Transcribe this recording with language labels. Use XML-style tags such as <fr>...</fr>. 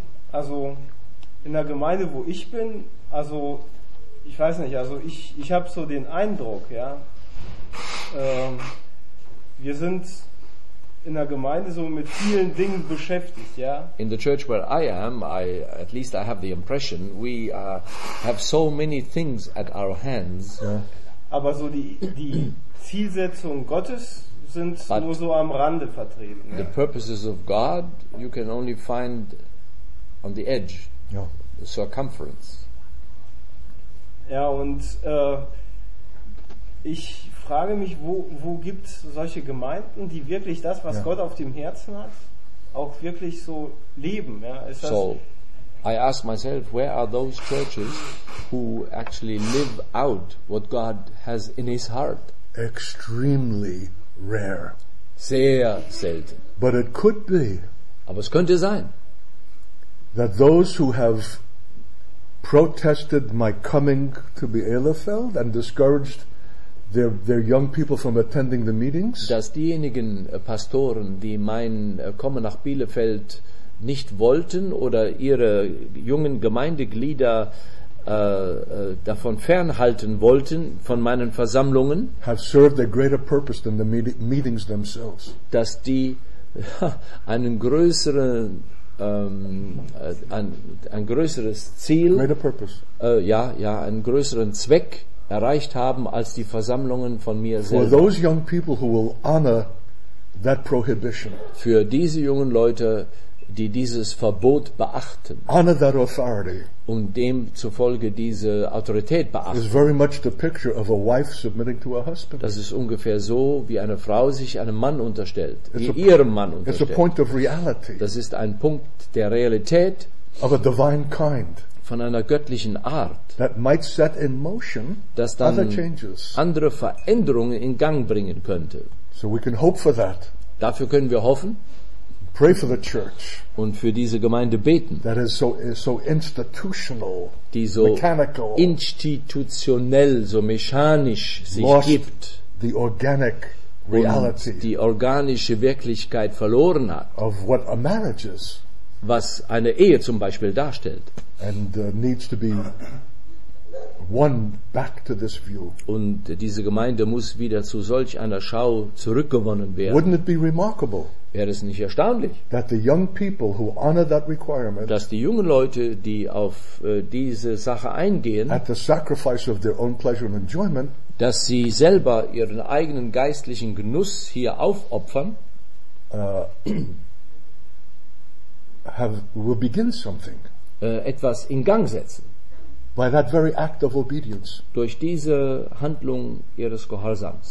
<de>Also in der Gemeinde, wo ich bin, also ich weiß nicht, also ich habe so den Eindruck, ja. Wir sind in der Gemeinde so mit vielen Dingen beschäftigt, ja.</de> <en>In the church where I am, I have the impression we have so many things at our hands.</en> <de>Yeah. Aber so die Zielsetzungen Gottes sind</de> <en>but</en> <de>nur so am Rande vertreten.</de> <en>The purposes of God you can only find on the edge, the circumference.</en> <de>Ja, und ich frage mich, wo gibt es solche Gemeinden, die wirklich das, was Gott auf dem Herzen hat, auch wirklich so leben? Ja? Ist das</de> <en>so, I ask myself, where are those churches who actually live out what God has in his heart? Extremely rare.</en> <de>Sehr selten.</de> <en>But it could be.</en> <de>Aber es könnte sein.</de> <en>That those who have protested my coming to be Elefeld and discouraged their young people from attending the meetings,</en> <de>dass diejenigen Pastoren, die mein Kommen nach Bielefeld nicht wollten oder ihre jungen Gemeindeglieder davon fernhalten wollten von meinen Versammlungen,</de> <en>have served a greater purpose than the meetings themselves,</en> <de>dass die einen größeren ein größeres Ziel,</de> <en>greater purpose,</en> <de>einen größeren Zweck erreicht haben als die Versammlungen von mir selbst.</de> <en>For those young people who will honor that prohibition.</en> <de>Für diese jungen Leute, die dieses Verbot beachten.</de> <en>Honor that authority.</en> <de>Und demzufolge diese Autorität beachten.</de> <en>Is very much the picture of a wife submitting to a husband.</en> <de>Das ist ungefähr so, wie eine Frau sich einem Mann unterstellt, ihrem Mann unterstellt.</de> <en>It's a point of reality.</en> <de>Das ist ein Punkt der Realität.</de> <en>Of a divine kind.</en> <de>Von einer göttlichen Art,</de> <en>that might set in motion,</en> <de>das dann</de> <en>other changes,</en> <de>andere Veränderungen in Gang bringen könnte.</de> <en>So we can hope for that.</en> <de>Dafür können wir hoffen.</de> <en>Pray for the church,</en> <de>und für diese Gemeinde beten,</de> <en>that is so institutional,</en> <de>die so</de> <en>mechanical,</en> <de>institutionell, so mechanisch sich</de> <en>lost</en> <de>gibt,</de> <en>the organic reality,</en> <de>die organische Wirklichkeit verloren hat,</de> <en>of what a marriage is,</en> <de>was eine Ehe zum Beispiel darstellt.</de> <en>And needs to be won back to this view.</en> <de>Und diese Gemeinde muss wieder zu solch einer Schau zurückgewonnen werden.</de> <en>Wouldn't it be remarkable?</en> <de>Wäre es nicht erstaunlich,</de> <en>that the young people who honor that requirement,</en> <de>dass die jungen Leute, die auf diese Sache eingehen,</de> <en>at the sacrifice of their own pleasure and enjoyment,</en> <de>dass sie selber ihren eigenen geistlichen Genuss hier aufopfern,</de> <en>will begin something.</en> <de>Etwas in Gang setzen.</de> <en>By that very act of obedience,</en> <de>durch diese Handlung ihres Gehorsams.</de>